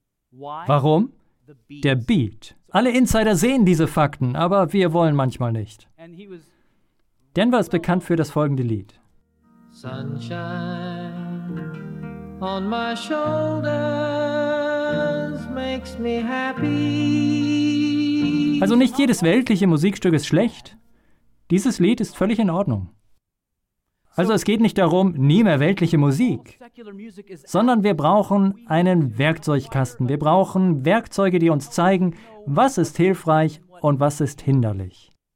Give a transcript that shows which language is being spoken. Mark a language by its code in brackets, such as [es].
[de] Warum? Der Beat. Alle Insider sehen diese Fakten, aber wir wollen manchmal nicht. Denver ist bekannt für das folgende Lied. [en] Sunshine on my shoulders makes me happy. [de] Also nicht jedes weltliche Musikstück ist schlecht. Dieses Lied ist völlig in Ordnung. Also es geht nicht darum, nie mehr weltliche Musik, sondern wir brauchen einen Werkzeugkasten. Wir brauchen Werkzeuge, die uns zeigen, was ist hilfreich und was ist hinderlich.